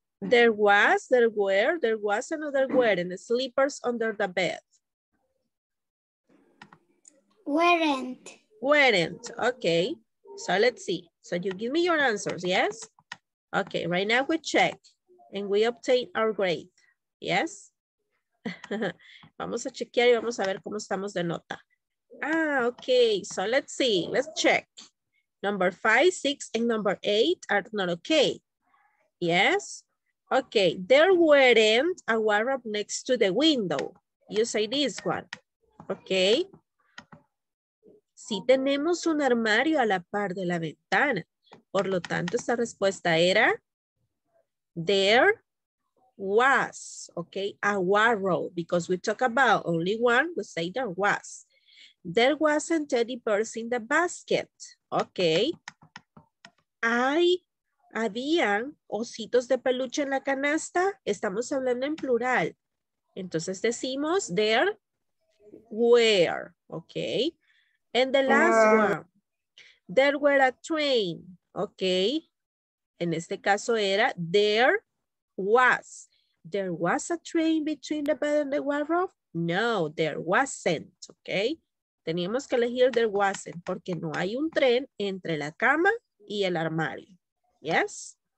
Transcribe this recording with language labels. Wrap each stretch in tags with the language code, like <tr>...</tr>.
<en>There wasn't, or there weren't slippers under the bed? Weren't. Weren't, okay. So let's see. So you give me your answers, yes? Okay, right now we check and we obtain our grade, yes?</en> <es>Vamos a chequear y vamos a ver cómo estamos de nota.</es> <en>Ah, okay, so let's see, let's check. Number five, six, and number eight are not okay. Yes? Okay, there weren't a wardrobe next to the window. You say this one, okay?</en> <es>Sí tenemos un armario a la par de la ventana. Por lo tanto, esta respuesta era, there</es> <en>was, okay, a warrow, because we talk about only one, we say there was. There wasn't teddy bears in the basket, okay.</en> <es>Hay, habían ositos de peluche en la canasta, estamos hablando en plural. Entonces decimos there were, okay.</es> <en>And the last one, there were a train, okay.</en> <es>En este caso era there was.</es> <en>There was a train between the bed and the wardrobe? No, there wasn't, okay.</en> <es>Teníamos que elegir there wasn't, porque no hay un tren entre la cama y el armario. Yes?</es>